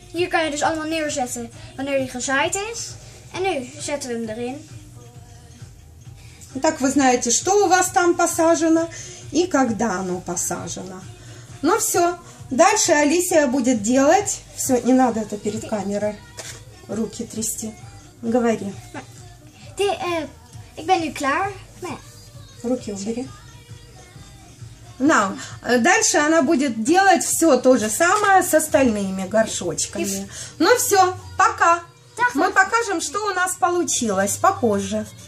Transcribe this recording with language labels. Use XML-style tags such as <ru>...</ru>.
<nl>Hier kan je dus allemaal neerzetten wanneer die gezaaid is. En nu zetten we hem erin.</nl> <ru>Так вы знаете, что у вас там посажено и когда оно посажено. Ну все. Дальше Алисия будет делать. Все, не надо это перед камерой руки трясти. Говори. Ты, я</ru> <nl>ben nu klaar.</nl> <ru>Руки убери. Нам. Дальше она будет делать все то же самое с остальными горшочками. Ну все, пока. Мы покажем, что у нас получилось попозже.</ru>